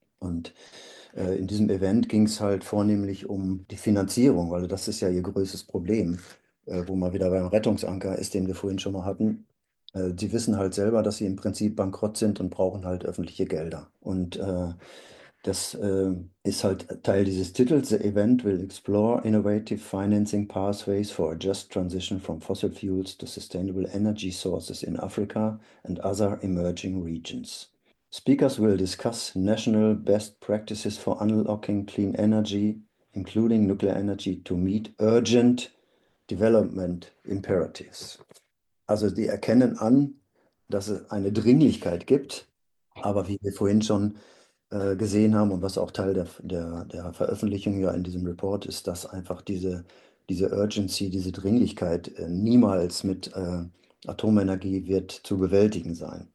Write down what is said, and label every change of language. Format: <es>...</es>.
<de>Und in diesem Event ging es halt vornehmlich um die Finanzierung, weil das ist ja ihr größtes Problem, wo man wieder beim Rettungsanker ist, den wir vorhin schon mal hatten. Sie wissen halt selber, dass sie im Prinzip bankrott sind und brauchen halt öffentliche Gelder. Und das ist halt Teil dieses Titels.</de> <en>The event will explore innovative financing pathways for a just transition from fossil fuels to sustainable energy sources in Africa and other emerging regions. Speakers will discuss national best practices for unlocking clean energy, including nuclear energy, to meet urgent development imperatives.</en> <de>Also die erkennen an, dass es eine Dringlichkeit gibt, aber wie wir vorhin schon gesehen haben und was auch Teil der Veröffentlichung ja in diesem Report ist, dass einfach diese Urgency, diese Dringlichkeit niemals mit Atomenergie wird zu bewältigen sein.</de>